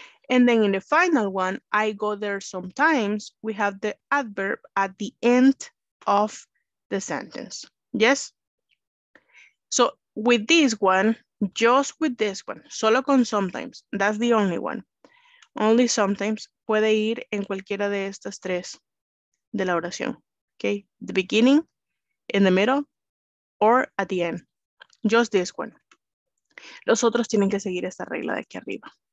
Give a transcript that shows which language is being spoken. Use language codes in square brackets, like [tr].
[en] And then in the final one, I go there sometimes, we have the adverb at the end of the sentence. Yes? So with this one, just with this one, [es] solo con [en] sometimes, that's the only one. Only sometimes [es] puede ir en cualquiera de estas tres de la oración. [en] Okay, the beginning, in the middle, or at the end. Just this one. [es] Los otros tienen que seguir esta regla de aquí arriba.